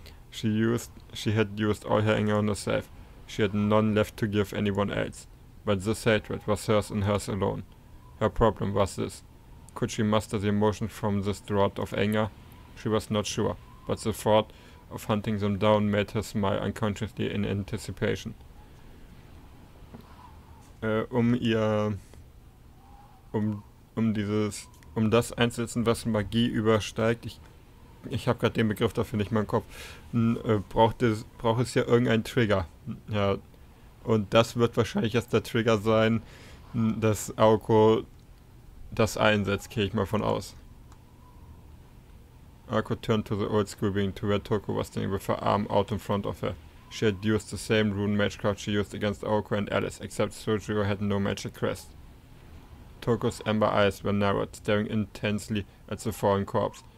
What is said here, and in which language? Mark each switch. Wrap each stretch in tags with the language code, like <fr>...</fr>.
<en>She had used all her anger on herself. She had none left to give anyone else. But this hatred was hers and hers alone. Her problem was this. Could she muster the emotion from this draught of anger? She was not sure, but the thought of hunting them down made her smile unconsciously in anticipation.</en> <de>Um das einzusetzen, was Magie übersteigt, ich habe gerade den Begriff dafür nicht mehr im Kopf, braucht es ja irgendeinen Trigger. Ja. Und das wird wahrscheinlich erst der Trigger sein, dass Aoko das einsetzt, gehe ich mal von aus.</de> <en>Aoko turned to the old screaming to where Toko was standing with her arm out in front of her. She had used the same rune magecraft she used against Aoko and Alice, except Sojiro had no magic crest. Toko's amber eyes were narrowed, staring intensely at the fallen corpse.</en>